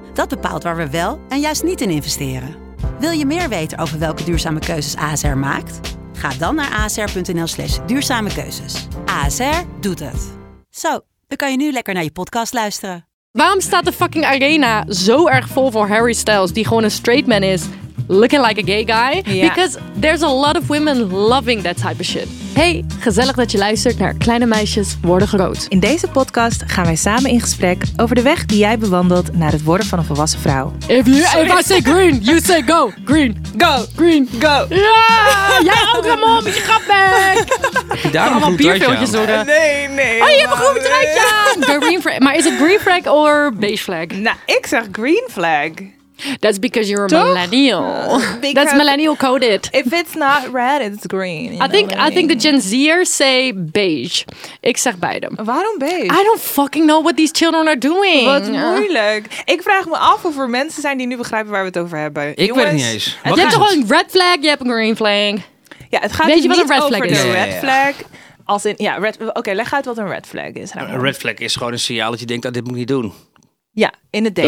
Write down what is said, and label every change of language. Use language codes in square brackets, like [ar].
[nl] Dat bepaalt waar we wel en juist niet in investeren. Wil je meer weten over welke duurzame keuzes ASR maakt? Ga dan naar asr.nl/duurzamekeuzes. ASR doet het. Zo, dan kan je nu lekker naar je podcast luisteren. Waarom staat de fucking arena zo erg vol voor Harry Styles, die gewoon een straight man is, [en] looking like a gay guy? Yeah. Because there's a lot of women loving that type of shit. [nl] Hey, gezellig dat je luistert naar Kleine Meisjes Worden Groot. In deze podcast gaan wij samen in gesprek over de weg die jij bewandelt naar het worden van een volwassen vrouw. [en] If I say green, you say go. Green. Go. Green. Go. [nl] Ja! Jij ook, Ramon, met je grapback. Daar allemaal bierveeltjes worden. Nee. Oh, je hebt een groen truitje aan. Green flag. Maar is het green flag of beige flag? Nou, ik zeg green flag. [en] That's because you're a millennial. That's millennial coded. If it's not red, it's green. I think the Gen Zers say beige. [nl] Ik zeg beide. Waarom beige? [en] I don't fucking know what these children are doing. [nl] Wat moeilijk. Ik vraag me af of er mensen zijn die nu begrijpen waar we het over hebben. Ik weet het niet eens. Je hebt toch een red flag, je hebt een green flag. Ja, het gaat niet over de red flag. Als in, ja, oké, leg uit wat een red flag is. Een red flag is gewoon een signaal dat je denkt, dit moet ik niet doen. Ja, in het date.